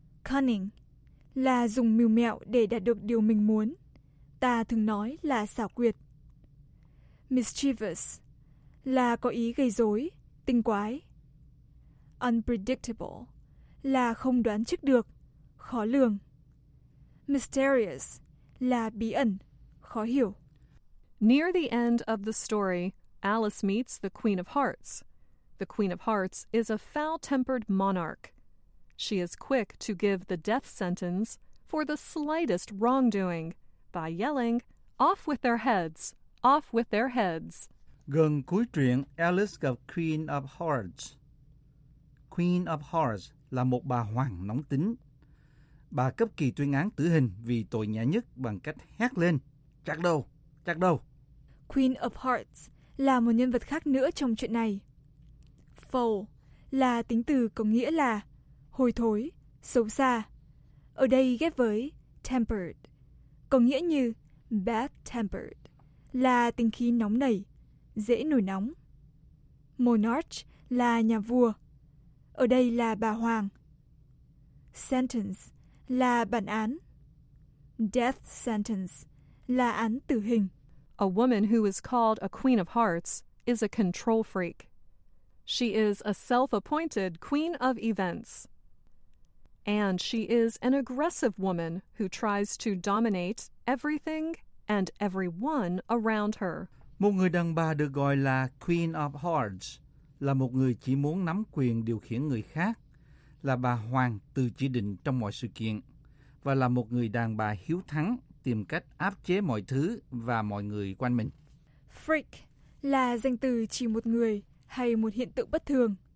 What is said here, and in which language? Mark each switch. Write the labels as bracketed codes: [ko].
[vi] Cunning là dùng mưu mẹo để đạt được điều mình muốn. Ta thường nói là xảo quyệt. Mischievous là có ý gây rối, tinh quái. Unpredictable là không đoán trước được, khó lường. Mysterious là bí ẩn, khó hiểu. [en] Near the end of the story, Alice meets the Queen of Hearts. The Queen of Hearts is a foul-tempered monarch. She is quick to give the death sentence for the slightest wrongdoing by yelling, "Off with their heads! Off with their heads!" [vi] Gần cuối truyện, Alice gặp Queen of Hearts. Queen of Hearts là một bà hoàng nóng tính. Bà cấp kỳ tuyên án tử hình vì tội nhẹ nhất bằng cách hét lên, "Chặt đầu! Chặt đầu!" Queen of Hearts là một nhân vật khác nữa trong chuyện này. Foul là tính từ có nghĩa là hôi thối, xấu xa. Ở đây ghép với tempered, có nghĩa như bad-tempered, là tính khí nóng nảy, dễ nổi nóng. Monarch là nhà vua. Ở đây là bà hoàng. Sentence là bản án. Death sentence là án tử hình. [en] A woman who is called a queen of hearts is a control freak. She is a self-appointed queen of events. And she is an aggressive woman who tries to dominate everything and everyone around her. [vi] Một người đàn bà được gọi là Queen of Hearts là một người chỉ muốn nắm quyền điều khiển người khác, là bà hoàng tự chỉ định trong mọi sự kiện, và là một người đàn bà hiếu thắng tìm cách áp chế mọi thứ và mọi người quanh mình. Freak là danh từ chỉ một người hay một hiện tượng bất thường.